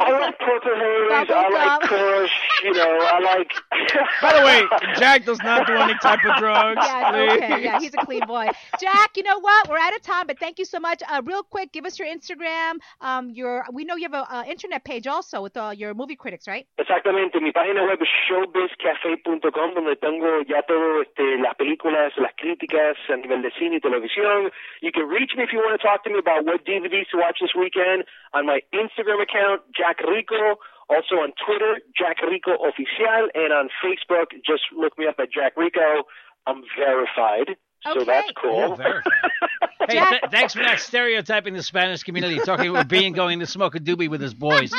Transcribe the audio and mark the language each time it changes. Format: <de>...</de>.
<en>I like Kush. You know, I like... By the way, Jack does not do any type of drugs. Yeah, he's a clean boy. Jack, you know what? We're out of time, but thank you so much. Real quick, give us your Instagram. We know you have an internet page also with all your movie critics, right?</en> <es>Exactamente. Mi página web</es> <en>is showbizcafe.com.</en> <es>Donde tengo ya todo las películas, las críticas a nivel de cine y televisión.</es> <en>You can reach me if you want to talk to me about what DVDs to watch this weekend on my Instagram account, Jack Rico. Also on Twitter, Jack Rico Oficial. And on Facebook, just look me up at Jack Rico. I'm verified. Okay. So that's cool. Hey, thanks for not stereotyping the Spanish community. Talking about being going to smoke a doobie with his boys.</en>